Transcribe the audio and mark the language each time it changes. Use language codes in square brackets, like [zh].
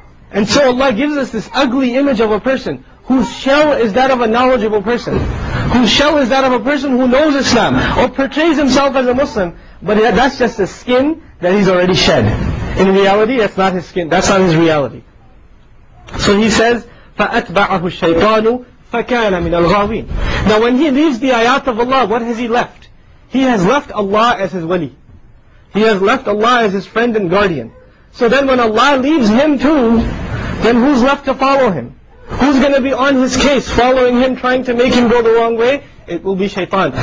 [en] And so Allah gives us this ugly image of a person whose shell is that of a knowledgeable person, whose shell is that of a person who knows Islam or portrays himself as a Muslim, but that's just a skin that he's already shed. In reality, that's not his skin, that's not his reality. So he says, [ar] فَأَتْبَعَهُ الشَّيْطَانُ فَكَانَ مِنَ الْغَاوِينَ. [en] Now when he reads the ayat of Allah, what has he left? He has left Allah as his wali. He has left Allah as his friend and guardian. So then when Allah leaves him too, then who's left to follow him? Who's going to be on his case, following him, trying to make him go the wrong way? It will be shaitan.